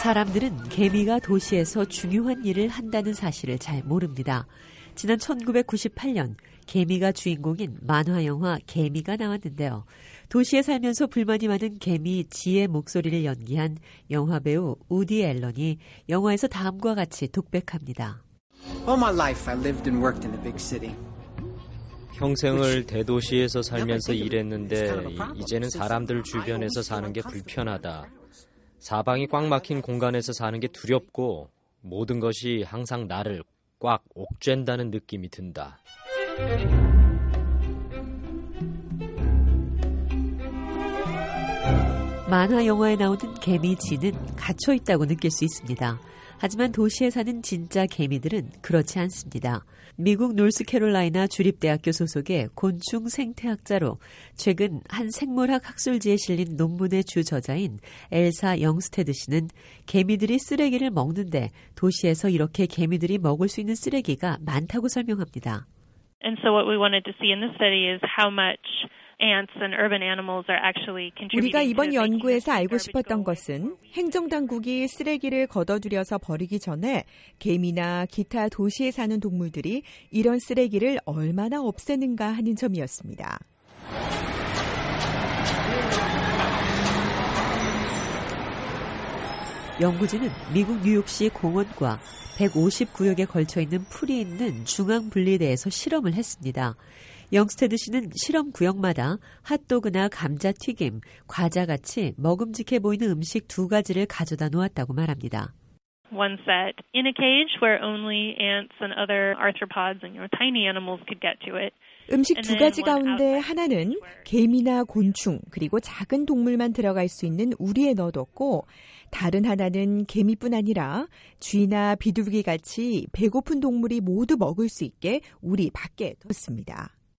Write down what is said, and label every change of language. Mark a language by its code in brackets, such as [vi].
[ko] 사람들은 개미가 도시에서 중요한 일을 한다는 사실을 잘 모릅니다. 지난 1998년 개미가 주인공인 만화 영화 개미가 나왔는데요. 도시에 살면서 불만이 많은 개미 지의 목소리를 연기한 영화 배우 우디 앨런이 영화에서 다음과 같이 독백합니다. [en] All my life I lived and worked in the big city. [ko] 평생을 대도시에서 살면서 일했는데 이제는 사람들 주변에서 사는 게 불편하다. 사방이 꽉 막힌 공간에서 사는 게 두렵고 모든 것이 항상 나를 꽉 옥죄는다는 느낌이 든다. 만화 영화에 나오는 개미 진은 갇혀있다고 느낄 수 있습니다. 하지만 도시에 사는 진짜 개미들은 그렇지 않습니다. 미국 노스캐롤라이나 주립대학교 소속의 곤충 생태학자로 최근 한 생물학 학술지에 실린 논문의 주저자인 엘사 영스테드 씨는 개미들이 쓰레기를 먹는데 도시에서 이렇게 개미들이 먹을 수 있는 쓰레기가 많다고 설명합니다. [en] And so what we wanted to see in this study is how much [ko] 우리가 이번 연구에서 알고 싶었던 것은 행정당국이 쓰레기를 걷어들여서 버리기 전에 개미나 기타 도시에 사는 동물들이 이런 쓰레기를 얼마나 없애는가 하는 점이었습니다. 연구진은 미국 뉴욕시 공원과 159역에 걸쳐 있는 풀이 있는 중앙 분리대에서 실험을 했습니다. 영스테드 씨는 실험 구역마다 핫도그나 감자튀김, 과자 같이 먹음직해 보이는 음식 두 가지를 가져다 놓았다고 말합니다. [en] One set in a cage where only ants and other arthropods and your tiny animals could get to it. [ko] 음식 두 가지 가운데 하나는 개미나 곤충 그리고 작은 동물만 들어갈 수 있는 우리에 넣어뒀고 다른 하나는 개미뿐 아니라 쥐나 비둘기 같이 배고픈 동물이 모두 먹을 수 있게 우리 밖에 뒀습니다.